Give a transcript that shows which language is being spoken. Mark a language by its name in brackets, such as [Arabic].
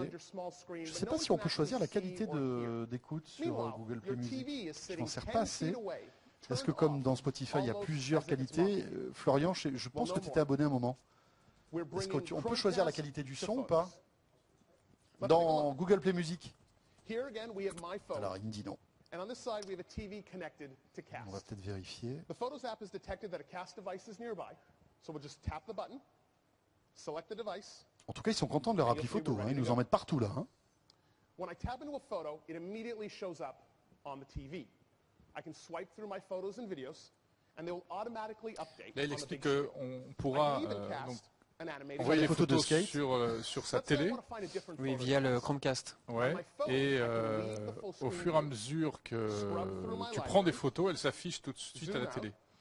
[French] Je ne sais pas si on peut choisir la qualité d'écoute sur Google Play Music. Je n'en sers pas assez. Est-ce que comme dans Spotify, il y a plusieurs qualités, Florian, je pense que tu étais abonné à un moment. Est-ce qu'on peut choisir la qualité du son ou pas dans Google Play Music? Alors, il me dit non. [English] And on this side, we have a TV connected to Cast. [French] On va peut-être vérifier. [English] The Photos app has detected that a Cast device is nearby. So we'll just tap the button, select the device. [French] En tout cas, ils sont contents de leur appli photo. Hein, ils nous en mettent partout, là. Hein. [English] When I tap into a photo, it immediately shows up on the TV. I can swipe through my photos and videos, and they will automatically update. [French] Là, il explique qu'on pourra envoyer les photos de skate sur sa télé. Oui, via le Chromecast. Ouais. Et au fur et à mesure que tu prends des photos, elles s'affichent tout de suite à la télé.